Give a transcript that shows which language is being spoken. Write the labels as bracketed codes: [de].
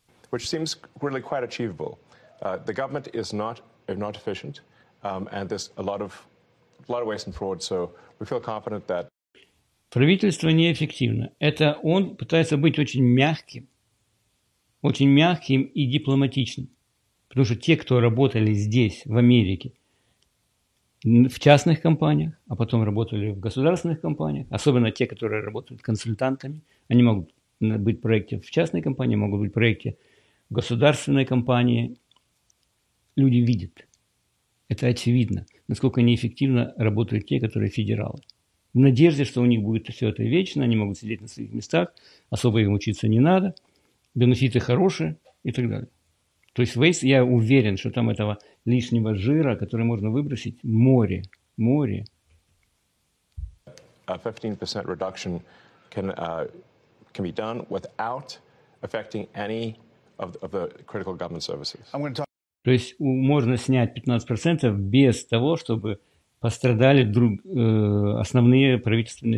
[en] Which seems really quite achievable. The government is not if not efficient. And there's a lot of waste and fraud, so we feel confident that... [ru] Правительство неэффективно. Это он пытается быть очень мягким и дипломатичным. Потому что те, кто работали здесь, в Америке, в частных компаниях, а потом работали в государственных компаниях, особенно те, которые работают консультантами, они могут быть в проекте в частной компании, могут быть в проекте в государственной компании. Люди видят. Это очевидно, насколько неэффективно работают те, которые федералы. В надежде, что у них будет все это вечно, они могут сидеть на своих местах, особо им учиться не надо, бенефиты хорошие и так далее. То есть Waze, я уверен, что там этого лишнего жира, который можно выбросить, море, море. [en] A 15% reduction can be done without affecting any of the critical government services. [ru] То есть можно снять 15% без того, чтобы пострадали основные правительственные